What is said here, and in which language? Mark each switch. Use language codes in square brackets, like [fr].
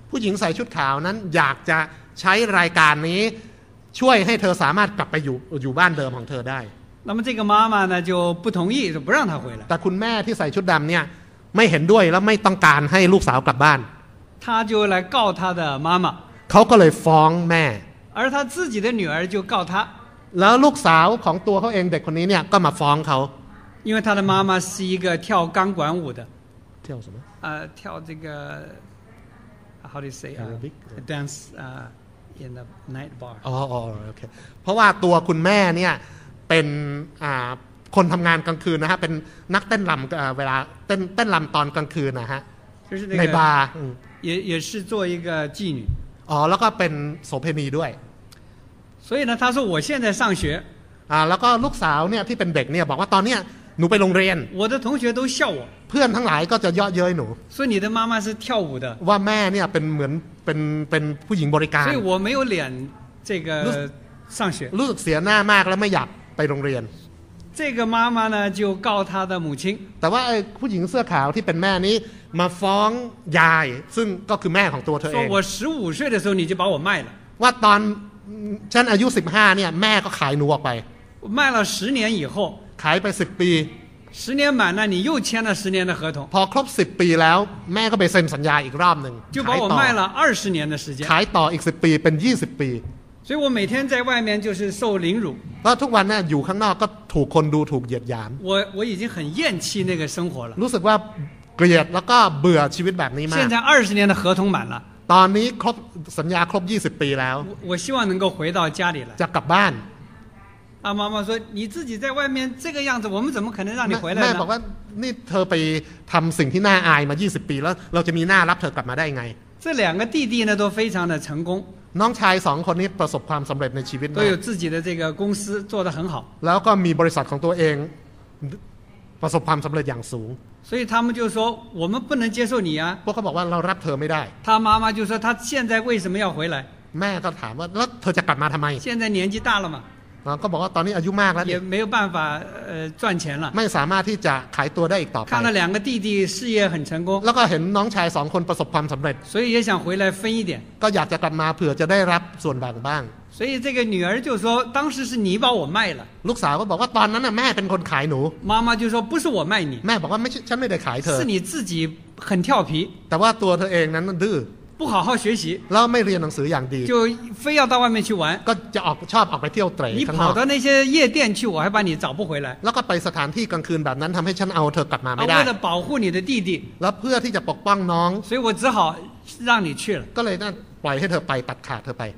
[th] ผู้หญิงใส่ชุดขาวนั้นอยากจะใช้รายการนี้ช่วยให้เธอสามารถกลับไปอยู่บ้านเดิมของเธอได้ [zh] 那么这个妈妈呢就不同意就不让她回来 [th] แต่คุณแม่ที่ใส่ชุดดำเนี่ยไม่เห็นด้วยแล้วไม่ต้องการให้ลูกสาวกลับบ้าน เขา [zh] 就来告他的妈妈 [th] เขาก็เลยฟ้องแม่ [zh] 而他自己的女儿就告他 [th] แล้วลูกสาวของตัวเขาเองเด็กคนนี้เนี่ยก็มาฟ้องเขา [zh] 因为他的妈妈是一个跳钢管舞的跳什么跳这个 [en] how do you say Arabic dance in the night bar [th] โอเคเพราะว่าตัวคุณแม่เนี่ยเป็นคนทำงานกลางคืนนะฮะเป็นนักเต้นรำเวลาเต้นรำตอนกลางคืนนะฮะในบาร์ [zh] 也是做一个妓女 [th] อ๋อแล้วก็เป็นโสเภณีด้วย [zh] 所以呢他说我现在上学 [th] แล้วก็ลูกสาวเนี่ยที่เป็นเด็กเนี่ยบอกว่าตอนเนี้ยหนูไปโรงเรียน [zh] 我的同学都笑我 [th] เพื่อนทั้งหลายก็จะเยาะเย้ยหนู [zh] 所以你的妈妈是跳舞的 [th] ว่าแม่เนี่ยเป็นเหมือนเป็นผู้หญิงบริการ [zh] 所以我没有脸这个上学 [th] รู้สึกเสียหน้ามากแล้วไม่อยากไปโรงเรียน [zh] 这个妈妈呢就告她的母亲 [th] แต่ว่าไอ้ผู้หญิงเสื้อขาวที่เป็นแม่นี้มาฟ้องยายซึ่งก็คือแม่ของตัวเธอเอง [zh] 说我十五岁的时候你就把我卖了 [th] ว่าตอนฉันอายุ15เนี่ยแม่ก็ขายหนูออกไป [zh] 卖了十年以后 [th] ขายไป10ปี [zh] 十年满了，你又签了十年的合同。 [th] พอครบ10ปีแล้วแม่ก็ไปเซ็นสัญญาอีกรอบนึง [zh] 就把我卖了二十年的时间。 [th] ขายต่ออีก10ปีเป็น20ปี。 [zh] 所以我每天在外面就是受凌辱。 [th] แล้วทุกวันเนี่ยอยู่ข้างนอกก็ถูกคนดูถูกเหยียดหยาม。 [zh] 我已经很厌弃那个生活了。 [th] รู้สึกว่าเกลียดแล้วก็เบื่อชีวิตแบบนี้มาก。 [zh] 现在二十年的合同满了。 [th] ตอนนี้ครบสัญญาครบ20ปีแล้ว。 [zh] 我希望能够回到家里来。 [th] จะกลับบ้าน。 [zh] 啊，妈妈说你自己在外面这个样子，我们怎么可能让你回来呢？ [th] แม่บอกว่านี่เธอไปทำสิ่งที่น่าอายมา20ปีแล้วเราจะมีหน้ารับเธอกลับมาได้ไง？ [zh] 这两个弟弟呢都非常的成功。 [th] น้องชายสองคนนี้ประสบความสำเร็จในชีวิต มาก。 [zh] 都有自己的这个公司做得很好。 [th] แล้วก็มีบริษัทของตัวเองประสบความสำเร็จอย่างสูง。 [zh] 所以他们就说我们不能接受你啊。 [th] พวกเขาบอกว่าเรารับเธอไม่ได้。 [zh] 他妈妈就说他现在为什么要回来？ [th] แม่ก็ถามว่าแล้วเธอจะกลับมาทำไม？ [zh] 现在年纪大了嘛。 [th] ก็บอกว่าตอนนี้อายุมากแล้ว [zh] 也没有办法赚钱了 [th] ไม่สามารถที่จะขายตัวได้อีกต่อไป [zh] 看了两个弟弟事业很成功 [th] แล้วก็เห็นน้องชายสองคนประสบความสำเร็จ [zh] 所以也想回来分一点 [th] ก็อยากจะกลับมาเผื่อจะได้รับส่วนแบ่งบ้าง [zh] 所以这个女儿就说当时是你把我卖了 [th] ลูกสาวก็บอกว่าตอนนั้นแม่เป็นคนขายหนู [zh] 妈妈就说不是我卖你 [th] แม่บอกว่าไม่ฉันไม่ได้ขายเธอ [zh] 是你自己很调皮 [th] แต่ว่าตัวเธอเองนั้นดื้อ [zh] 不好好学习 [th] แล้วไม่เรียนหนังสืออย่างดี [zh] 就非要到外面去玩 [th] ก็จะออกชอบออกไปเที่ยวเตร่ข้างนอก [zh] 你跑到那些夜店去我还把你找不回来 [th] แล้วก็ไปสถานที่กลางคืนแบบนั้นทำให้ฉันเอาเธอกลับมาไม่ได้ [zh] 为了保护你的弟弟 [th] แล้วเพื่อที่จะปกป้องน้อง [zh] 所以我只好让你去了 [th] ก็เลยนั่นปล่อยให้เธอไปตัดขาดเธอไป